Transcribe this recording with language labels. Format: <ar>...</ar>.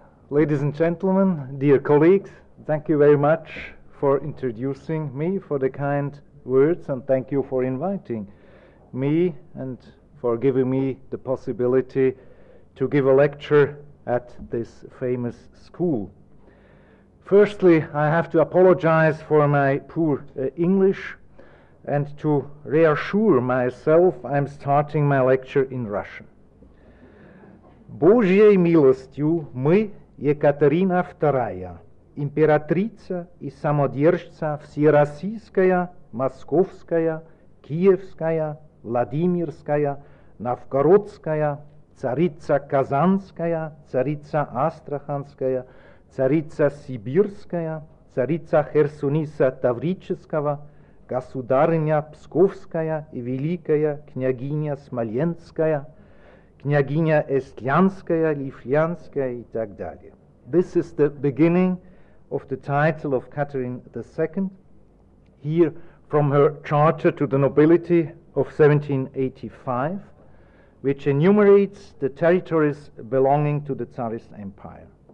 <en>Ladies and gentlemen, dear colleagues, thank you very much for introducing me, for the kind words, and thank you for inviting me and for giving me the possibility to give a lecture at this famous school. Firstly, I have to apologize for my poor English. And to reassure myself, I'm starting my lecture in Russian.</en> <ru>Божьей милостью мы, Екатерина II, императрица и самодержца Всероссийская, Московская, Киевская, Владимирская, Новгородская, царица Казанская, царица Астраханская, царица Сибирская, царица Херсониса Таврического, Государыня Псковская и Великая Княгиня Смоленская, Княгиня Эстлянская, Лифлянская и так далее.</ru> <en>This is the beginning of the title of Catherine II, here from her Charter to the Nobility of 1785, which enumerates the territories belonging to the Tsarist Empire.</en>